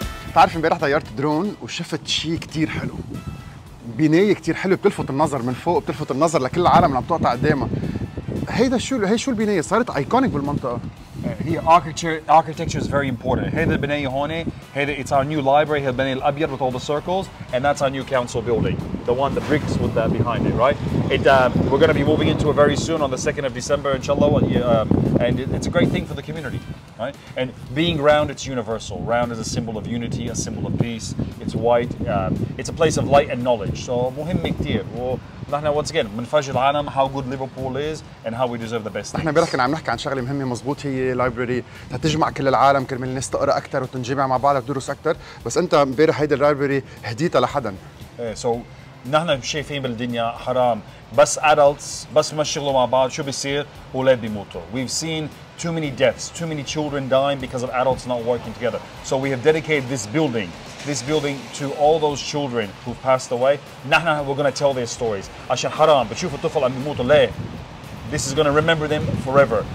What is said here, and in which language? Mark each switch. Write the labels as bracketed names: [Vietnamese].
[Arabic] بتعرف امبارح طيرت درون وشفت شيء كتير حلو، بنايه كتير حلو بتلفت النظر من فوق، بتلفت النظر لكل العالم اللي عم تقطع قدامها. هيدا شو البنايه؟ صارت ايكونيك بالمنطقه. هي [English] architecture is very important. [Arabic] هيدا البنايه هون، هيدا [English] it's our new library. [Arabic] هيدا البنايه الابيض [English] with all the circles, and that's our new council building, the one the bricks with that behind it, right? We're going to be moving into it very soon on the 2nd of December inshallah. And it's a great thing for the community, right? And being round, it's universal. Round is a symbol of unity, a symbol of peace. It's white. It's a place of light and knowledge. So [Arabic] مهم كتير. ونحن [English] once again [Arabic] منفجر العالم [English] how good Liverpool is and how we deserve the best. [Arabic] نحن امبارح كنا عم نحكي عن شغلة مهمة مزبوط، هي library تجمع كل العالم كرمال الناس تقرأ أكثر وتنجمع مع بعض وتدرس أكثر. بس أنت امبارح هيدا library هديتها لحدا. So نحن شايفين بالدنيا حرام بس adults بس مشغلوا مع بعض شو بيصير؟ أولاد بيموتوا. [English] We've seen too many deaths, too many children dying because of adults not working together. So we have dedicated this building to all those children who've passed away. [Arabic] نحن [English] we're going to tell their stories. [Arabic] عشان حرام بتشوف الطفل عم بيموتوا ليه؟ [English] This is going to remember them forever.